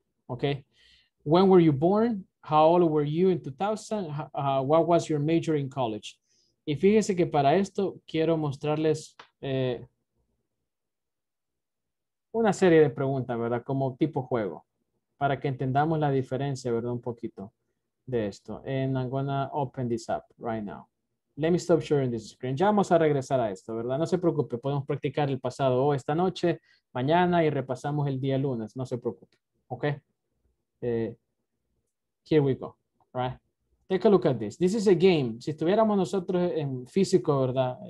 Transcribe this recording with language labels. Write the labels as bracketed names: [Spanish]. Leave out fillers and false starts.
[English] Okay. When were you born? How old were you in 2000? What was your major in college? [Spanish] Y fíjese que para esto quiero mostrarles una serie de preguntas, ¿verdad? Como tipo juego, para que entendamos la diferencia, ¿verdad? Un poquito de esto. [English] And I'm gonna open this up right now. Let me stop sharing this screen. [Spanish] Ya vamos a regresar a esto, ¿verdad? No se preocupe, podemos practicar el pasado o esta noche, mañana y repasamos el día lunes. No se preocupe, ¿ok? [English] Here we go, right? Take a look at this. This is a game. [Spanish] Si estuviéramos nosotros en físico, ¿verdad?